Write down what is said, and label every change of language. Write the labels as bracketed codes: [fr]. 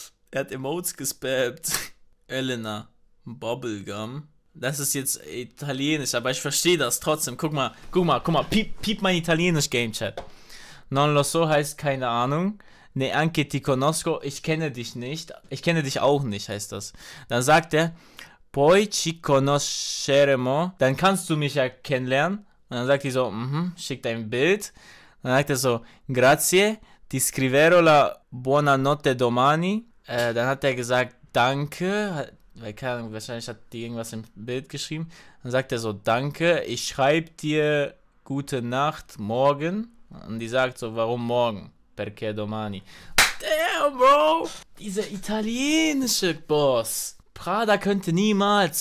[de] Er hat Emotes gespammt. Elena. Bubblegum. Das ist jetzt Italienisch, aber ich verstehe das trotzdem. Guck mal. Piep mein Italienisch-Game-Chat. [it] Non lo so [de] heißt keine Ahnung. [it] Ne anche ti conosco, [de] ich kenne dich nicht. Ich kenne dich auch nicht, heißt das. Dann sagt er, [it] poi ci conosceremo. [de] Dann kannst du mich ja kennenlernen. Und dann sagt die so, schick dein Bild. Dann sagt er so, [it] grazie, ti scriverò la buonanotte domani. [de] Dann hat er gesagt, danke. Weil, keine Ahnung, wahrscheinlich hat die irgendwas im Bild geschrieben. Dann sagt er so, danke, ich schreibe dir gute Nacht morgen. Und die sagt so, warum morgen? [it] Perché domani. [en] Damn, Bro! [de] Dieser italienische Boss. Prada könnte niemals.